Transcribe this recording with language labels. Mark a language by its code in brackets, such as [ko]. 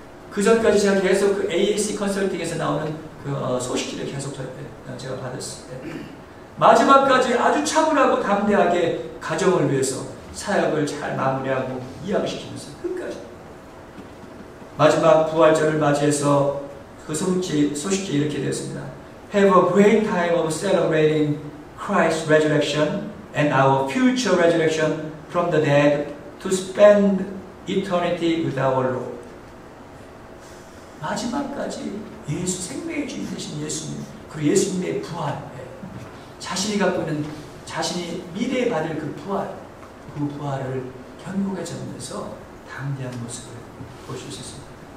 [ko] 그 전까지 제가 계속 그 AAC 컨설팅에서 나오는 그 소식지를 계속 제가 받았을 때 마지막까지 아주 차분하고 담대하게 가정을 위해서 사역을 잘 마무리하고 이양시키면서 끝까지 마지막 부활절을 맞이해서 그 소식지 이렇게 되었습니다. [en] Have a great time of celebrating Christ's resurrection and our future resurrection from the dead to spend eternity with our Lord. [ko] 마지막까지 예수 생명의 주인 되신 예수님 그리고 예수님의 부활 자신이 갖고 있는 자신이 미래에 받을 그 부활을 견고하게 전해서 담대한 모습을 보실 수 있습니다.